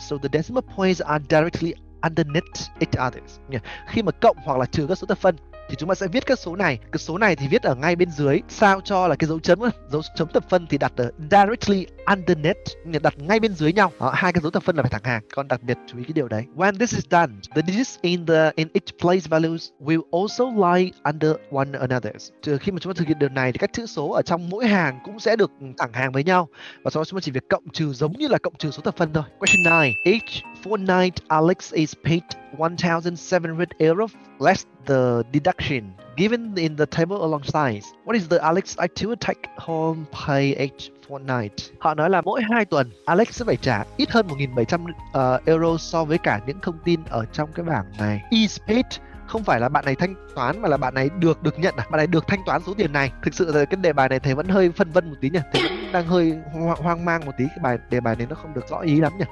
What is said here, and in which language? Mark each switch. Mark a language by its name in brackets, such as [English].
[English] So the decimal points are directly underneath each other. Yeah. [Vietnamese] Khi mà cộng hoặc là trừ các số thập phân thì chúng ta sẽ viết cái số này thì viết ở ngay bên dưới, sao cho là cái dấu chấm thập phân thì đặt ở [English] directly underneath, [Vietnamese] đặt ngay bên dưới nhau. Đó, hai cái dấu thập phân là phải thẳng hàng. Còn đặc biệt chú ý cái điều đấy. [English] When this is done, the digits in each place values will also lie under one another. [Vietnamese] Trừ khi mà chúng ta thực hiện điều này thì các chữ số ở trong mỗi hàng cũng sẽ được thẳng hàng với nhau, và sau đó chúng ta chỉ việc cộng trừ giống như là cộng trừ số thập phân thôi. [English] Question 9. Each fortnight, Alex is paid 1,700 euro less the deduction given in the table alongside. What is the Alex actual take home pay each fortnight? [Vietnamese] Họ nói là mỗi 2 tuần Alex sẽ phải trả ít hơn 1,700 euro so với cả những thông tin ở trong cái bảng này. [English] Is paid [Vietnamese] không phải là bạn này thanh toán mà là bạn này được nhận à? Bạn này được thanh toán số tiền này. Thực sự là cái đề bài này thầy vẫn hơi phân vân một tí nhỉ. Thầy vẫn đang hơi hoang mang một tí, cái bài đề bài này nó không được rõ ý lắm nhỉ.